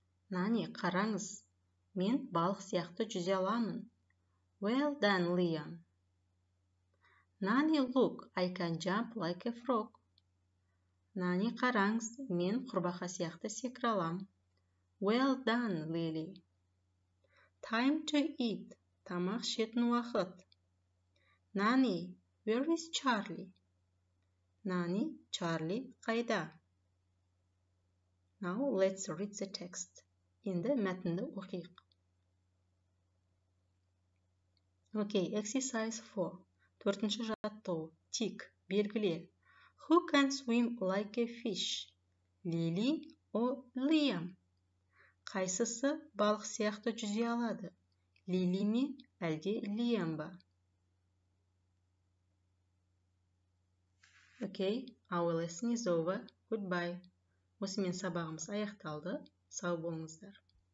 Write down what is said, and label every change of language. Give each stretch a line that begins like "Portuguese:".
English: Nanny,
Kazakh: қараңыз! Мен балық сияқты жүзе аламын.
English: Well done, Liam. Nanny, look, I can jump like a frog. Nanny,
Kazakh: қараңыз, мен құрбақа сияқты секіре аламын.
English: Well done, Lily. Time to eat.
Kazakh: Тамақ ішетін уақыт.
English: Nanny, where is Charlie?
Kazakh: Nanny, Charlie қайда?
English: Now let's read the text.
Kazakh: Енді мәтінді оқиық.
English: Okay, exercise 4.
Kazakh: Төртінші жаттығу. Тик, белгіле.
English: Who can swim like a fish? Lily or Liam?
Kazakh: Қайсысы балық сияқты жүзе алады? Lily ме, әлде Liam ба?
English: Okay, our lesson is over. Goodbye.
Kazakh: Осымен сабағымыз аяқталды. Сау болыңыздар.